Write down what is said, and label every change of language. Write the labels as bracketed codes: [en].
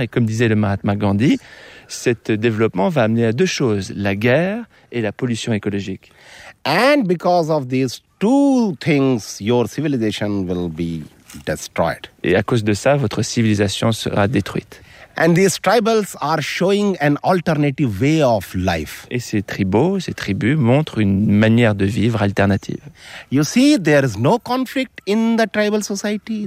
[fr] Et comme disait le Mahatma Gandhi, cet développement va amener à deux choses, la guerre et la pollution écologique. [en] And because of these two things, your civilization will be destroyed. [fr] Et à cause de ça, votre civilisation sera détruite. [en] And these tribals are showing an alternative way of life. [fr] Et ces tribus montrent une manière de vivre alternative. [en] You see, there is no conflict in the tribal society.